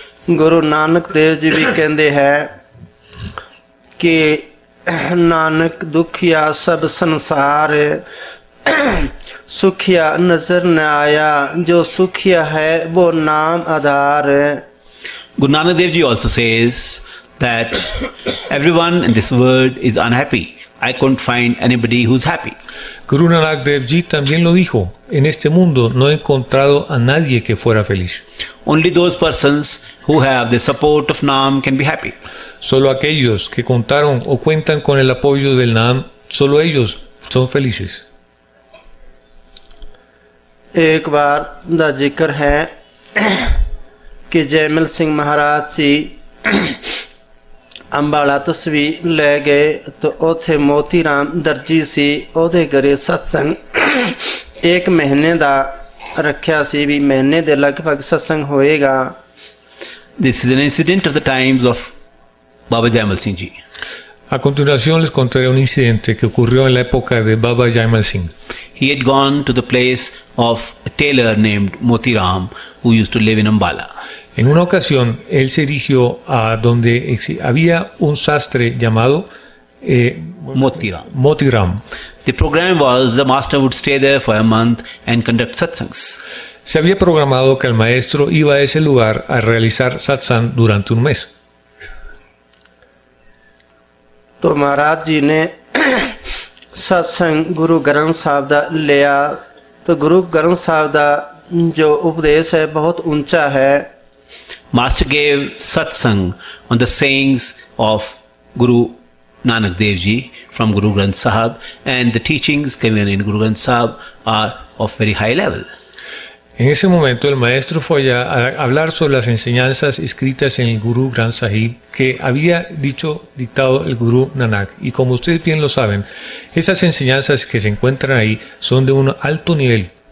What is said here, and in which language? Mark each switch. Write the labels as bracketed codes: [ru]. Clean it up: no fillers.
[pa] ਗੁਰੂ ਨਾਨਕ ਦੇਵ ਜੀ ਵੀ ਕਹਿੰਦੇ ਹੈ ਕਿ ਨਾਨਕ ਦੁਖੀਆ ਸਭ ਸੰਸਾਰ ਸੁਖੀਆ ਨਜ਼ਰ ਨ ਆਇਆ ਜੋ ਸੁਖੀਆ ਹੈ ਵੋ ਨਾਮ ਆਧਾਰ। [en] Guru Nanak Dev Ji also says that everyone in this world is unhappy. I couldn't find anybody who's happy. [es] Guru Nanak Dev Ji también lo dijo. En este mundo no he encontrado a nadie que fuera feliz. [en] Only those persons who have the support of Naam can be happy. [es] Solo aquellos que contaron o cuentan con el apoyo del Naam, solo ellos son felices. [pa] ਇੱਕ ਵਾਰ ਦਾ ਜ਼ਿਕਰ ਹੈ ਕਿ ਜੈਮਲ ਸਿੰਘ ਮਹਾਰਾਜ ਜੀ ਅੰਬਾਲਾ ਤਸਵੀਰ ਲੈ ਗਏ ਅਤੇ ਉੱਥੇ ਮੋਤੀ ਰਾਮ ਦਰਜੀ ਸੀ, ਉਹਦੇ ਘਰੇ ਸਤਸੰਗ ਇੱਕ ਮਹੀਨੇ ਦਾ ਰੱਖਿਆ ਸੀ, ਵੀ ਮਹੀਨੇ ਦੇ ਲਗਭਗ ਸਤਸੰਗ ਹੋਏਗਾ। [en] This is an incident of the times of Baba Jaimal Singh ji. [es] A continuación les contaré un incidente que ocurrió en la época de Baba Jaimal Singh. [en] He had gone to the place of a tailor named Motiram, who used to live in Ambala. [es] En una ocasión, él se dirigió a donde había un sastre llamado Motiram. Motiram. [en] The program was the master would stay there for a month and conduct satsangs. [es] Se había programado que el maestro iba a ese lugar a realizar satsang durante un mes. [pa] ਤੋ ਮਹਾਰਾਜ ਜੀ ਨੇ ਸਤਸੰਗ ਗੁਰੂ ਗ੍ਰੰਥ ਸਾਹਿਬ ਦਾ ਲਿਆ ਤੇ ਗੁਰੂ ਗ੍ਰੰਥ ਸਾਹਿਬ ਦਾ ਜੋ ਉਪਦੇਸ਼ ਹੈ ਬਹੁਤ ਉੱਚਾ ਹੈ। [en] Master gave satsang on the sayings of Guru Nanak Dev ji from Guru Granth Sahib and the teachings given in Guru Granth Sahib are of very high level. [es] En ese momento el maestro fue allá a hablar sobre las enseñanzas escritas en el Guru Granth Sahib que había dictado el Guru Nanak. Y como ustedes bien lo saben, esas enseñanzas que se encuentran ahí son de un alto nivel.